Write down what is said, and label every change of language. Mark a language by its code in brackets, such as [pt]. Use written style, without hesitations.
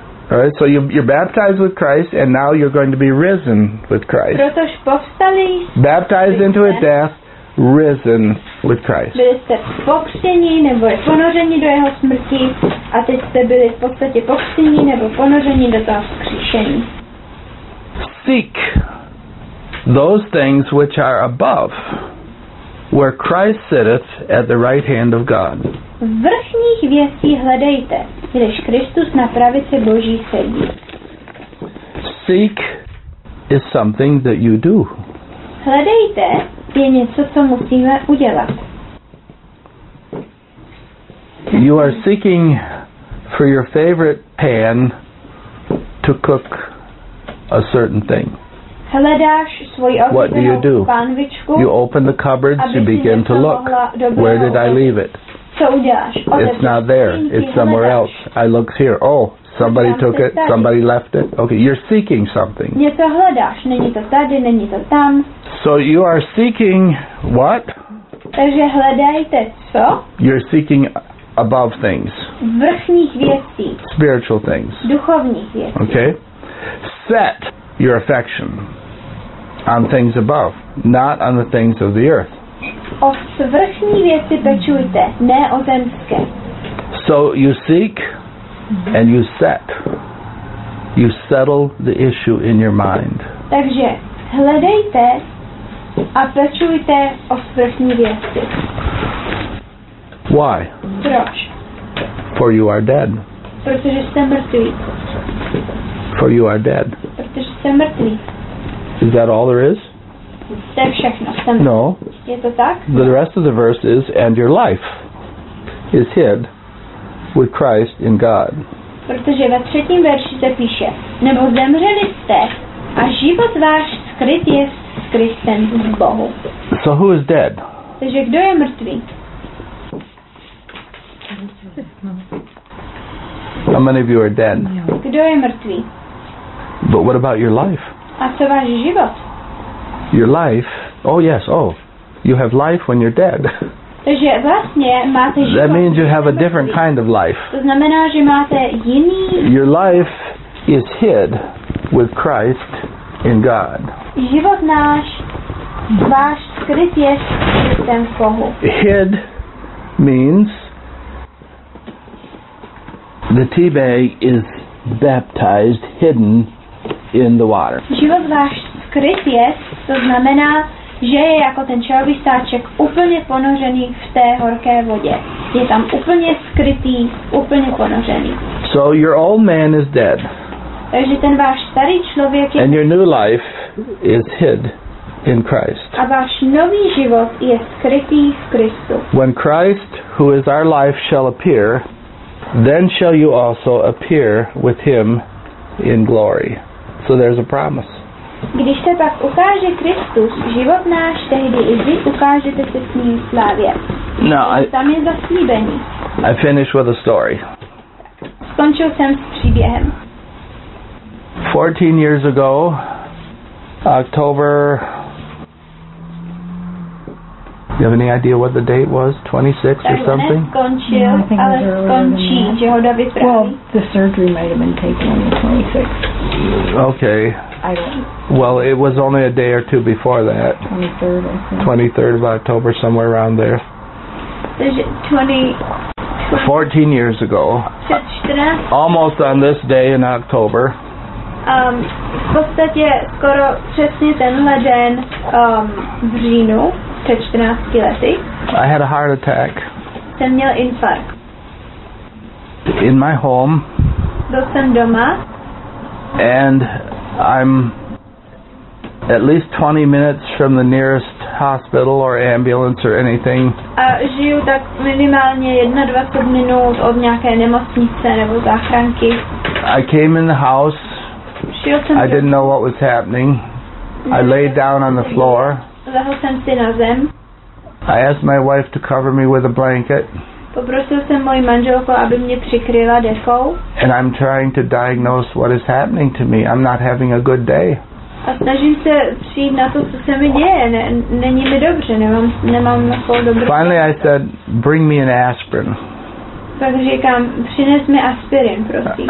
[en] All right, so you're baptized with Christ, and now you're going to be risen with Christ. [cs] Protož povstali, [en] baptized into a death, risen with Christ. [cs] Byli jste pokřtěni nebo ponořeni do jeho smrti, a teď jste byli v podstatě pokřtěni nebo ponořeni do toho vzkříšení. [en] Seek those things which are above, where Christ sitteth at the right hand of God. [cs] Vrchních věcí hledejte, když Kristus na pravici Boží sedí. [en] Seek is something that you do. [cs] Hledejte je něco, co musíme udělat. [en] You are seeking for your favorite pan to cook a certain thing. [cs] Hledáš svoji oblíbenou pánvičku. [en] You open the cupboards, you begin to look. Where did I leave it? It's not there. It's somewhere else. I looked here. Oh, somebody took it. Somebody left it. Okay, you're seeking something. [cs] Něco hledáš. Není to tady, není to tam. [en] So you are seeking what? [cs] Takže hledajte co? [en] You're seeking above things. [cs] Vrchních věcí. [en] Spiritual things. [cs] Duchovních věcí. [en] Okay. Set your affection on things above, not on the things of the earth. [cs] O svrchní věci pečujte, ne o zemské. [en] So you seek and you set. You settle the issue in your mind. [cs] Takže hledejte a pečujte o svrchní věci. [en] Why? [cs] Proč? [en] For you are dead. [cs] Protože jste mrtví. [en] For you are dead. [cs] Protože jste mrtví. [en] Is that all there is? No. The rest of the verse is, and your life is hid with Christ in God. [cs] Protože ve třetím verši se píše, nebo zemřeli jste, a život váš skryt je s Kristem v Bohu. [en] So who is dead? [cs] Takže kdo je mrtvý? [en] How many of you are dead? [cs] Kdo je mrtvý? [en] But what about your life? [cs] A co váš život? [en] Your life, oh yes, oh, you have life when you're dead. [cs] Takže vlastně máte život. [en] That means you have a different kind of life. [cs] To znamená, že máte jiný. [en] Your life is hid with Christ in God. [cs] Život náš, váš skryt je s Kristem v Bohu. [en] Hid means the tebe is baptized, hidden in the water. [cs] Život náš skryt je, to znamená, že je jako ten čelovistáček úplně ponořený v té horké vodě. Je tam úplně skrytý, úplně ponořený. [en] So your old man is dead. [cs] Takže ten váš starý člověk je. [en] And your new life is hid in Christ. [cs] A váš nový život je skrytý v Kristu. [en] When Christ, who is our life, shall appear, then shall you also appear with him in glory. So there's a promise. [cs] Když se pak ukáže Kristus, život náš, tehdy i vy ukážete se s ním v slávě. No, tam je zaslíbení. [en] I finish with a story. [cs] Skončil jsem s příběhem. [en] 14 years ago, October... You have any idea what the date was? 26 [cs] tak [en] or something? [cs] Skončil, no, [en] I think [cs] ale skončí, že ho do vypráví. [en] Well, the surgery might have been taken on the 26th. Okay. I don't. Well, it was only a day or two before that. 23rd of October, somewhere around there. 14 years ago. Almost on this day in October. [cs] v podstatě skoro přesně tenhle den v říjnu před 14 lety. [en] I had a heart attack. [cs] Jsem měl infarkt. [en] In my home. [cs] Byl jsem doma. [en] And I'm at least 20 minutes from the nearest hospital or ambulance or anything. [cs] A žiju tak minimálně 21 minut od nějaké nemocnice nebo záchranky. [en] I came in the house. [cs] Šel jsem. [en] I didn't know what was happening. I laid down on the floor. [cs] Lehl jsem si na zem. [en] I asked my wife to cover me with a blanket. [cs] Poprosil jsem moji manželku, aby mě přikryla dekou. [en] And I'm trying to diagnose what is happening to me. I'm not having a good day. [cs] A snažím se přijít na to, co se mi děje. Není mi dobře, nemám na to dobré. [en] Finally I said, bring me an aspirin. [cs] Tak říkám, přines mi aspirin, prosím.